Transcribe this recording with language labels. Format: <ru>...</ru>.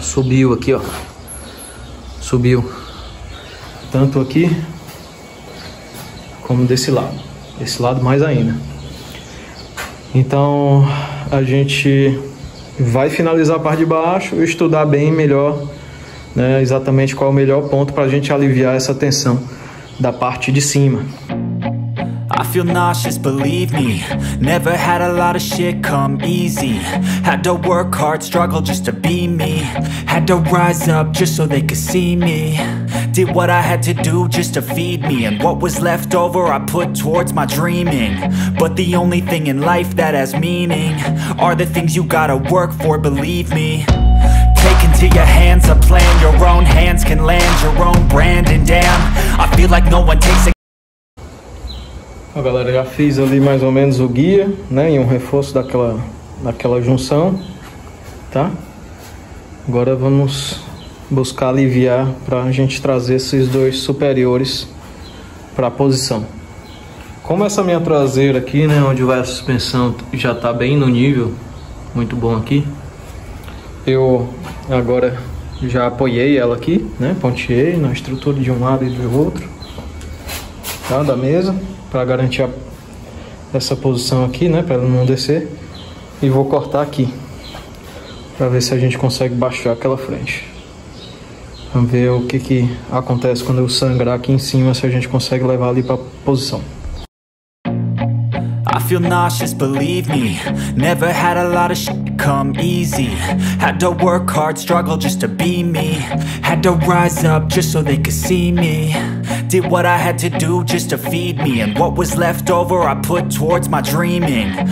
<pt>Subiu aqui, ó. Subiu. Tanto aqui, como desse lado. Esse lado mais ainda. Então, a gente vai finalizar a parte de baixo e estudar bem melhor, né, exatamente qual é o melhor ponto para a gente aliviar essa tensão da parte de cima.</pt> <en>I feel nauseous, believe me. Never had a lot of shit come easy. Had to work hard, struggle just to be me. Had to rise up just so they could see me. Did what I had to do just to feed me. And what was left over I put towards my dreaming. But the only thing in life that has meaning are the things you gotta work for, believe me. To your hands a plan, your own hands can land your own brand, and damn, I feel like no one takes it.</en> <pt>Ó, galera, já fiz ali mais ou menos o guia, né, e um reforço daquela junção, tá? Agora vamos buscar aliviar para a gente trazer esses dois superiores para a posição. Como essa minha traseira aqui, né, onde vai a suspensão, já tá bem no nível muito bom aqui, eu agora já apoiei ela aqui, né? Pontiei na estrutura de um lado e do outro, tá? Da mesa, para garantir essa posição aqui, né? Para ela não descer. E vou cortar aqui, para ver se a gente consegue baixar aquela frente. Vamos ver o que acontece quando eu sangrar aqui em cima, se a gente consegue levar ali para a posição.</pt> <en>I feel nauseous, believe me. Never had a lot of shit come easy. Had to work hard, struggle just to be me. Had to rise up just so they could see me. Did what I had to do just to feed me. And what was left over I put towards my dreaming.</en>